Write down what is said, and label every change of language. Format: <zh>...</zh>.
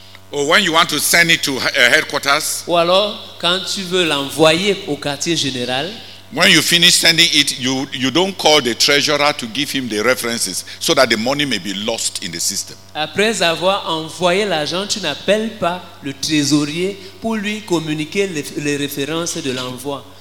<en>Or when you want to send it to headquarters.</en> <fr>Ou alors quand tu veux l'envoyer au quartier général.</fr> <en>When you finish sending it, you don't call the treasurer to give him the references so that the money may be lost in the system.</en> <fr>Après avoir envoyé l'argent, tu n'appelles pas le trésorier pour lui communiquer les références de l'envoi.</fr>